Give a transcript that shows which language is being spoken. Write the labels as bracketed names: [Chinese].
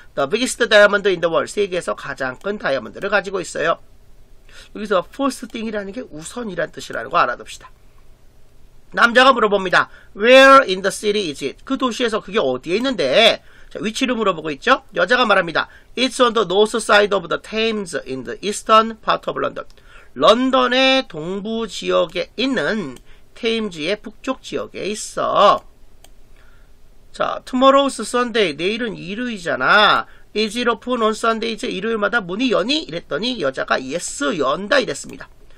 [English] The biggest diamond in the world. [Korean] 세계에서 가장 큰 다이아몬드를 가지고 있어요. 여기서 first thing이라는 게 우선이란 뜻이라는 거 알아둡시다. 남자가 물어봅니다. [English] Where in the city is it? [Korean] 그 도시에서 그게 어디에 있는데? 자, 위치를 물어보고 있죠. 여자가 말합니다. [English] It's on the north side of the Thames in the eastern part of London. [Korean] 런던의 동부 지역에 있는 테임즈의 북쪽 지역에 있어. [English] 자, tomorrow's Sunday. [Korean] 내일은 일요일이잖아. [English] Is it open on Sundays? [Korean] 일요일마다 문이 여니? 이랬더니 여자가 yes, 연다. 이랬습니다.